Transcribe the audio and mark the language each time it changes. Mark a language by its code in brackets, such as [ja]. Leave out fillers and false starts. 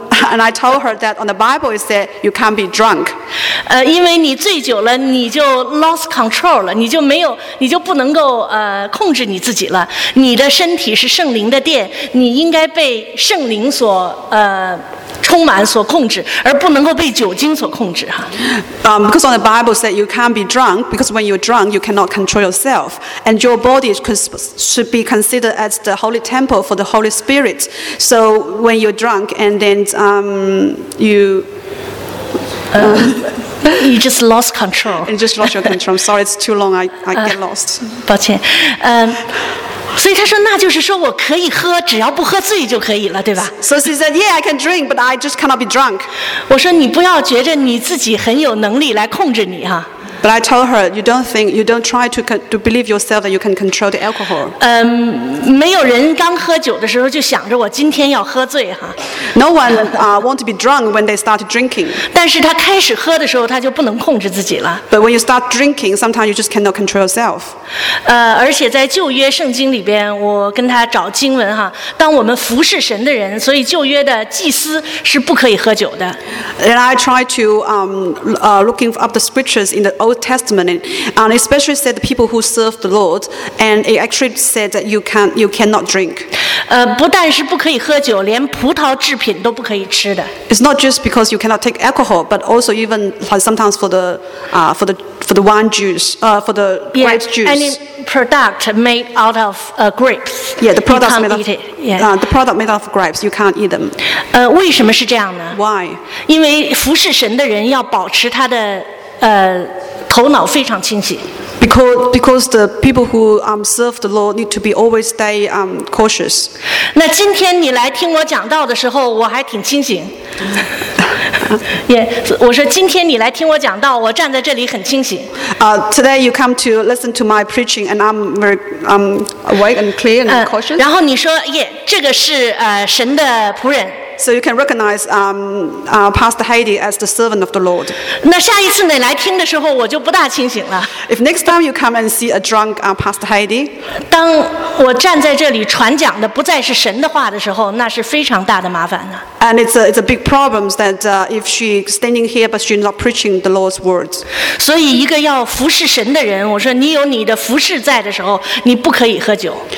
[en] And I told her that on the Bible it said you can't be drunk. [zh] 因为你醉酒了，你就 [en] lost control [zh] 了，你就没有，你就不能够控制你自己了。你的身体是圣灵的殿，你应该被圣灵所充满所控制，而不能够被酒精所控制哈。 [en] Because on the Bible said you can't be drunk, because when you're drunk you cannot control yourself, and your body should be considered as the holy temple for the Holy Spirit. So when you're drunk and then you just lost control. You just lost your control. I'm sorry, it's too long. I get lost. [zh] 抱歉，所以他说，那就是说我可以喝，只要不喝醉就可以了，对吧 [en] ？So she said, "Yeah, I can drink, but I just cannot be drunk." [zh] 我说你不要觉着你自己很有能力来控制你哈。 [en] But I told her, "You don't think, you don't try to believe yourself that you can control the alcohol." [zh] 没有人刚喝酒的时候就想着我今天要喝醉哈。 [en] No one want to be drunk when they start drinking. [zh] 但是他开始喝的时候，他就不能控制自己了。 [en] But when you start drinking, sometimes you just cannot control yourself. [zh] 而且在旧约圣经里边，我跟他找经文哈。当我们服侍神的人，所以旧约的祭司是不可以喝酒的。 [en] And I try to looking up the scriptures in the Old Testament, and especially said the people who serve the Lord, and it actually said that you cannot drink. [zh] 不但是不可以喝酒，连葡萄制品都不可以吃的。 [en] It's not just because you cannot take alcohol, but also even sometimes for the wine juice, for the grape juice. Any product made out of grapes. Yeah, the product made of the product made out of grapes. You can't eat them. [zh] 为什么是这样呢 [en] ？Why? [zh] 因为服侍神的人要保持他的头脑非常清醒。 [en] Because the people who serve the Lord need to be always stay cautious. [zh] 那今天你来听我讲道的时候，我还挺清醒。 Yeah, 我说今天你来听我讲道，我站在这里很清醒。 [en] Today you come to listen to my preaching, and I'm very awake and clear and cautious. [zh] 然后你说，yeah, 这个是神的仆人。 [en] So you can recognize Pastor Heidi as the servant of the Lord. [zh] 那下一次你来听的时候，我就不大清醒了。 [en] If next time you come and see a drunk Pastor Heidi, [zh] 当我站在这里传讲的不再是神的话的时候，那是非常大的麻烦的。 [en] And it's a big problem that if she standing here but she's not preaching the Lord's words. [zh] 所以一个要服侍神的人，我说你有你的服侍在的时候，你不可以喝酒。